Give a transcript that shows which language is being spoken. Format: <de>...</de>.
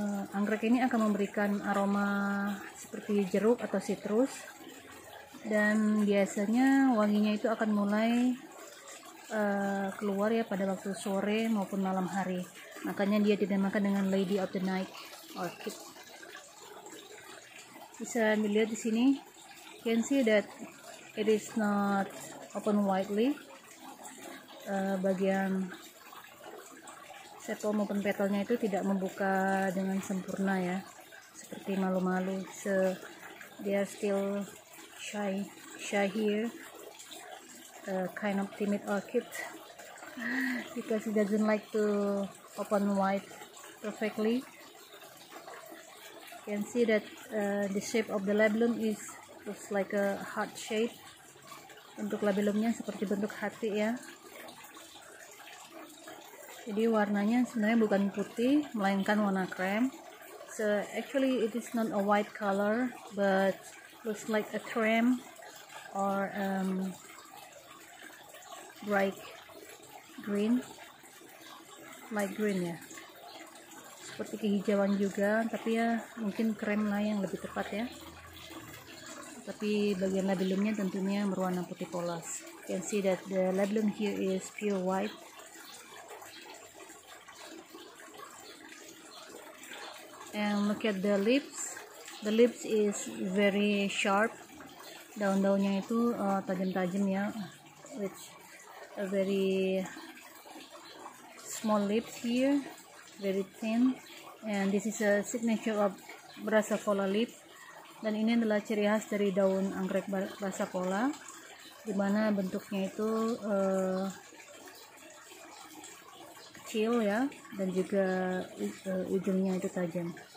<id>Anggrek ini akan memberikan aroma seperti jeruk atau citrus, dan biasanya wanginya itu akan mulai keluar ya pada waktu sore maupun malam hari. Makanya dia dinamakan dengan Lady of the Night Orchid. Bisa dilihat di sini,</id> <en>you can see that it is not open widely.</en> <id>Bagian sepal maupun petalnya itu tidak membuka dengan sempurna ya, seperti malu-malu.</id> <en>So they are still shy here. Kind of timid orchid because he doesn't like to open wide perfectly. You can see that the shape of the labellum is looks like a heart shape.</en> <id>Untuk labellumnya seperti bentuk hati ya. Jadi warnanya sebenarnya bukan putih melainkan warna krem.</id> <en>So actually it is not a white color but looks like a cream or bright green, light green ya.</en> <id>Seperti kehijauan juga, tapi ya mungkin krem lah yang lebih tepat ya. Tapi bagian labellumnya tentunya berwarna putih polos.</id> <en>You can see that the labellum here is pure white. And look at the lips. The lips is very sharp.</en> <id>Daun-daunnya itu tajam-tajam ya.</id> <en>Which a very small lips here. Very thin. And this is a signature of Brassavola leaf.</en> <id>Dan ini adalah ciri khas dari daun anggrek Brassavola, dimana bentuknya itu kecil ya, dan juga ujungnya itu tajam.</id>